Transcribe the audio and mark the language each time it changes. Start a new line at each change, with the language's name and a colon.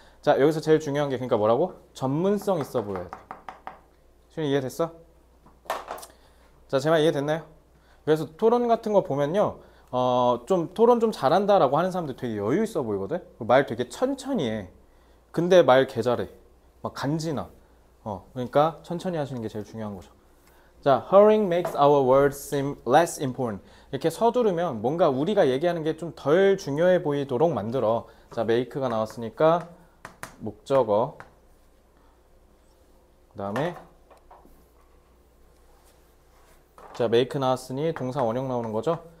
Korean: 자, 여기서 제일 중요한 게 그러니까 뭐라고? 전문성 있어 보여야 돼. 지금 이해됐어? 자, 제말 이해됐나요? 그래서 토론 같은 거 보면요. 좀 토론 좀 잘한다라고 하는 사람들 되게 여유 있어 보이거든. 말 되게 천천히 해. 근데 말 개잘해. 막 간지나. 그러니까 천천히 하시는 게 제일 중요한 거죠.
English: 자, hurrying makes our words seem less important.
Korean: 이렇게 서두르면 뭔가 우리가 얘기하는 게좀덜 중요해 보이도록 만들어. 자, make가 나왔으니까 목적어. 그다음에 자, make 나왔으니 동사 원형 나오는 거죠.